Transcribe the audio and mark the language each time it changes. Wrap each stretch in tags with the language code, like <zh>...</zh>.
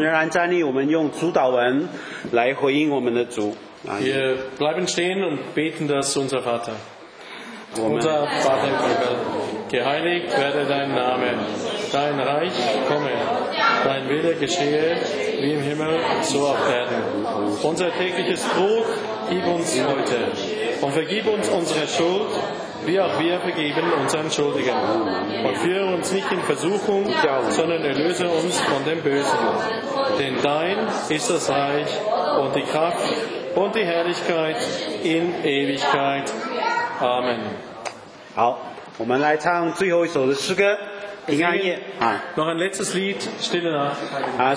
<zh>站立，我们用主导文来回应我们的主。</zh> <de>Wir bleiben stehen und beten das unser Vater. Unser Vater, geheiligt werde dein Name. Dein Reich komme. Dein Wille geschehe, wie im Himmel, so auf Erden. Unser tägliches Brot gib uns heute. Und vergib uns unsere Schuld, wie auch wir vergeben unseren Schuldigen. Und führe uns nicht in Versuchung, sondern erlöse uns von dem Bösen. Denn dein ist das Reich und die Kraft und die Herrlichkeit in Ewigkeit. Amen.</de> <zh>好，我们来唱最后一首的诗歌，平安夜。</zh> <de>Noch ein letztes Lied, Stille Nacht.</de>